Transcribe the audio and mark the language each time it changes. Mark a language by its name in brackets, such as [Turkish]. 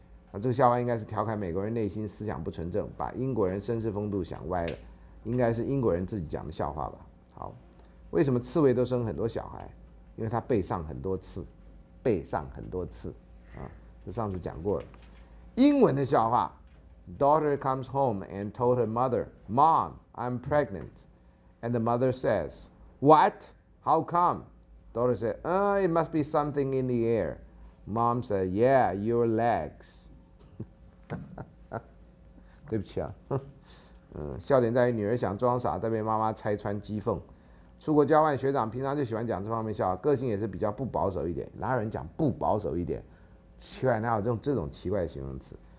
[Chinese] 啊，这个笑话应该是调侃美国人内心思想不纯正，把英国人绅士风度想歪了，应该是英国人自己讲的笑话吧？好，为什么刺猬都生很多小孩？因为他背上很多刺，背上很多刺。啊，这上次讲过了。英文的笑话 [English] ，Daughter comes home and told her mother, "Mom, I'm pregnant." And the mother says, "What? How come?" Daughter said, "It must be something in the air." Mom said, "Yeah, your legs." [Chinese] 对不起啊，笑点在于女儿想装傻，但被妈妈拆穿讥讽。出国交换学长平常就喜欢讲这方面笑话，个性也是比较不保守一点。哪有人讲不保守一点？奇怪，哪有这种奇怪的形容词？